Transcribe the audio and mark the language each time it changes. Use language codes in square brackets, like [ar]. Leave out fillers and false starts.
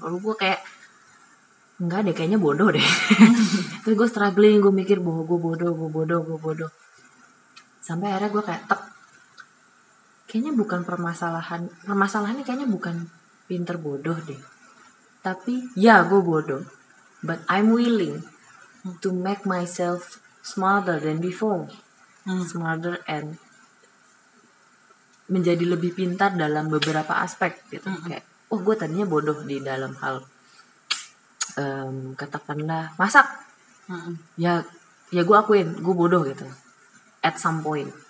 [id] Lalu gue kayak, enggak deh, kayaknya bodoh deh. Terus gue struggling, gue mikir bahwa gue bodoh. Sampai akhirnya gue kayak, tep. Kayaknya bukan permasalahan. Permasalahannya kayaknya bukan pinter bodoh deh. Tapi ya gue bodoh. [en] But I'm willing to make myself smarter than before. [id] Smarter and menjadi lebih pintar dalam beberapa aspek gitu. Kayak, oh gue tadinya bodoh di dalam hal katakanlah masak. Ya gue akuin, gue bodoh gitu. [en] At some point.